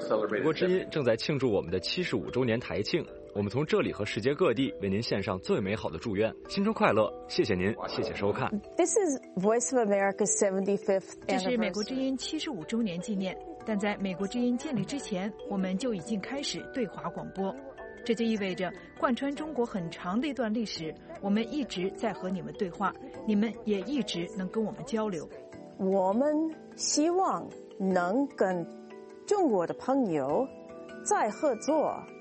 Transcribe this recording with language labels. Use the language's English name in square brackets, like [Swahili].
[Chinese] 美国之音正在庆祝我们的75周年台庆，我们从这里和世界各地为您献上最美好的祝愿，新春快乐！谢谢您，谢谢收看。 [English] This is Voice of America 75th anniversary. [Chinese] 这是美国之音75周年纪念。但在美国之音建立之前，我们就已经开始对华广播。这就意味着贯穿中国很长的一段历史，我们一直在和你们对话，你们也一直能跟我们交流。我们希望能跟中国的朋友再合作。